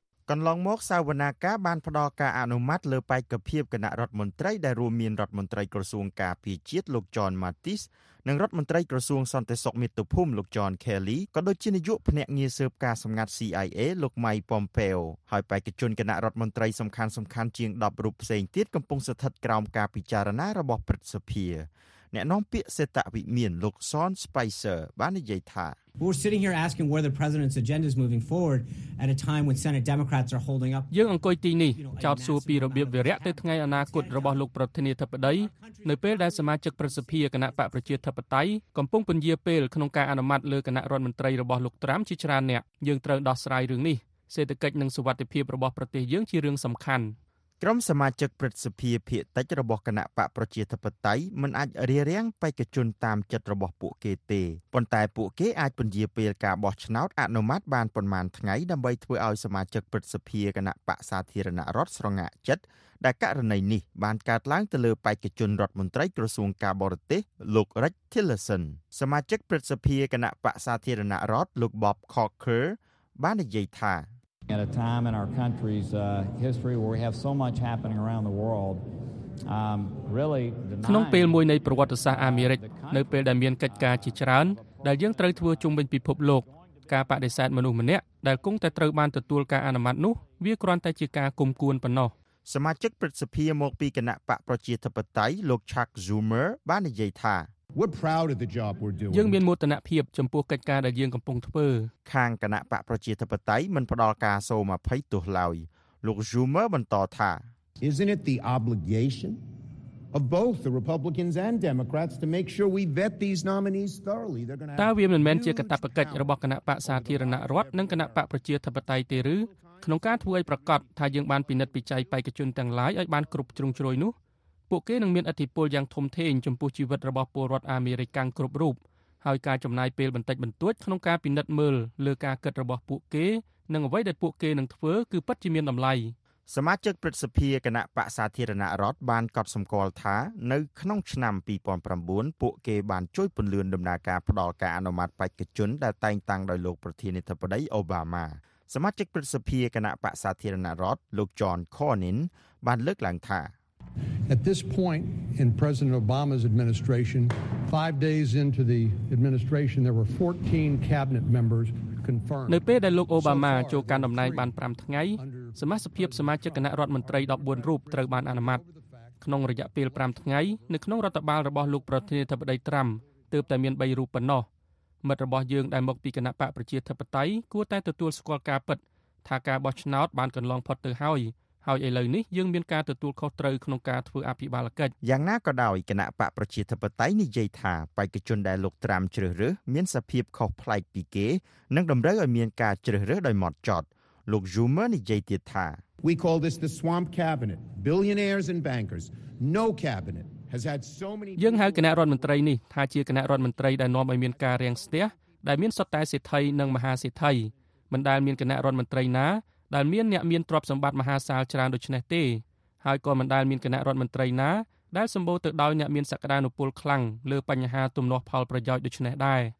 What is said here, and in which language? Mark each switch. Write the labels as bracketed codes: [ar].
[km] កន្លងមកសាវនាកាបានផ្ដល់ការអនុម័តលើបេក្ខភាពគណៈរដ្ឋមន្ត្រីដែលរួមមានរដ្ឋមន្ត្រីក្រសួងការពារជាតិលោកចនម៉ាទីសនិងរដ្ឋមន្ត្រីក្រសួងសន្តិសុខមាតុភូមិលោកចនខេលីក៏ដូចជានាយកភ្នាក់ងារស៊ើបការណ៍សម្ងាត់ CIA លោកម៉ៃប៉ុំពេលហើយបេក្ខជនគណៈរដ្ឋមន្ត្រីសំខាន់ៗជាង10រូបផ្សេងទៀតកំពុងស្ថិតក្រោមការពិចារណារបស់ព្រឹទ្ធសភាអ្នកនាំពាក្យសេដ្ឋវិមានលោកសនស្ប៉ៃសឺបាននិយាយថា [en] We're sitting here asking where the president's agenda is moving forward at a time when Senate Democrats are holding up. [km] យើងអង្គុយទីនេះចោទសួរពីរបៀបវារៈទៅថ្ងៃអនាគតរបស់លោកប្រធានាធិបតីនៅពេលដែលសមាជិកប្រសិទ្ធិគណៈបកប្រជាធិបតេយ្យកំពុងពន្យាពេលក្នុងការអនុម័តលើគណៈរដ្ឋមន្ត្រីរបស់លោកត្រាំជាច្រើនអ្នកយើងត្រូវដោះស្រាយរឿងនេះសេដ្ឋកិច្ចនិងសុវត្ថិភាពរបស់ប្រទេសយើងជារឿងសំខាន់ ក្រុមសមាជិកព្រឹទ្ធសភាភៀកតិចរបស់គណៈបកប្រជាធិបតេយ្យមិនអាចរារាំងបេក្ខជនតាមចិត្តរបស់ពួកគេទេប៉ុន្តែពួកគេអាចពន្យាពេលការបោះឆ្នោតអនុម័តបានប្រមាណថ្ងៃដើម្បីធ្វើឲ្យសមាជិកព្រឹទ្ធសភាគណៈបកសាធារណរដ្ឋស្រងាក់ចិត្តដែលករណីនេះបានកើតឡើងទៅលើបេក្ខជនរដ្ឋមន្ត្រីក្រសួងការបរទេសលោក Rex Tillerson សមាជិកព្រឹទ្ធសភាគណៈបកសាធារណរដ្ឋលោក Bob Corker បាននិយាយថា [en] At a time in our country's history where we have so much happening around the world, really [km] ក្នុងពេលមួយនៃប្រវត្តិសាស្ត្រអាមេរិកនៅពេលដែលមានកិច្ចការជាច្រើនដែលយើងត្រូវធ្វើជុំវិញពិភពលោកការបដិសេធមនុស្សម្នាក់ដែលគង់តែត្រូវបានទទួលការអនុម័តនោះវាគ្រាន់តែជាការគំគួនប៉ុណ្ណោះ សមាជិកព្រឹទ្ធសភាមកពីគណៈបកប្រជាធិបតេយ្យលោក Chuck Schumer បាននិយាយថា [en] We're proud of the job we're doing. [km] យើងមានមោទនភាពចំពោះកិច្ចការដែលយើងកំពុងធ្វើ ខាងគណៈបកប្រជាធិបតេយ្យមិនផ្ដល់ការសូម20ទោះឡើយលោក Schumer បន្តថា [en] Isn't it the obligation of both the Republicans and Democrats to make sure we vet these nominees thoroughly? They're going to [km] តើវាមិនមែនជាកាតព្វកិច្ចរបស់គណៈបកសាធារណរដ្ឋនិងគណៈបកប្រជាធិបតេយ្យទេឬក្នុងការធ្វើឲ្យប្រកាសថាយើងបានពិនិត្យពិច័យបេក្ខជនទាំងឡាយឲ្យបានគ្រប់ជ្រុងជ្រោយនោះពួកគេនឹងមានឥទ្ធិពលយ៉ាងធំធេងចំពោះជីវិតរបស់ពលរដ្ឋអាមេរិកកាំងគ្រប់រូបហើយការចំណាយពេលបន្តិចបន្តួចក្នុងការពិនិត្យមើលលើការគិតរបស់ពួកគេនិងអ្វីដែលពួកគេនឹងធ្វើគឺពិតជាមានតម្លៃ សមាជិកព្រឹទ្ធសភាគណៈបកសាធារណរដ្ឋបានកត់សម្គាល់ថានៅក្នុងឆ្នាំ2009ពួកគេបានជួយពន្លឿនដំណើរការផ្ដល់ការអនុម័តបេក្ខជនដែលតែងតាំងដោយលោកប្រធានាធិបតីអូបាម៉ាសមាជិកព្រឹទ្ធសភាគណៈបកសាធារណរដ្ឋលោក John Cornyn បានលើកឡើងថា [en] At this point in President Obama's administration, 5 days into the administration, there were 14 cabinet members confirmed. [km] នៅពេលដែលលោកអូបាម៉ាចូលកាន់តំណែងបាន5ថ្ងៃសមាជិកភាពសមាជិកគណៈរដ្ឋមន្ត្រី14រូបត្រូវបានអនុម័តក្នុងរយៈពេល5ថ្ងៃនៅក្នុងរដ្ឋបាលរបស់លោកប្រធានាធិបតីត្រាំទើបតែមាន3រូបប៉ុណ្ណោះមិត្តរបស់យើងដែលមកពីគណៈបកប្រជាធិបតេយ្យគួរតែទទួលស្គាល់ការពិតថាការបោះឆ្នោតបានកន្លងផុតទៅហើយហើយឥឡូវនេះយើងមានការទទួលខុសត្រូវក្នុងការធ្វើអភិបាលកិច្ច យ៉ាងណាក៏ដោយគណៈបកប្រជាធិបតេយ្យនិយាយថាបេក្ខជនដែលលោកត្រាំជ្រើសរើសមានសភាពខុសប្លែកពីគេនិងតម្រូវឲ្យមានការជ្រើសរើសដោយម៉ត់ចត់លោក Schumer និយាយទៀតថា [en] We call this the swamp cabinet billionaires and bankers no cabinet has had so many [km] យើងហៅគណៈរដ្ឋមន្ត្រីនេះថាជាគណៈរដ្ឋមន្ត្រីដែលនាំឲ្យមានការរាំងស្ទះដែលមានសុទ្ធតែសេដ្ឋីនិងមហាសេដ្ឋីមិនដែលមានគណៈរដ្ឋមន្ត្រីណាដែលមានអ្នកមានទ្រព្យសម្បត្តិមហាសាលច្រើនដូចនេះទេហើយក៏មិនដែលមានគណៈរដ្ឋមន្ត្រីណាដែលសម្បូរទៅដោយអ្នកមានសក្តានុពលខ្លាំងលើបញ្ហាទំនាស់ផលប្រយោជន៍ដូចនេះដែរ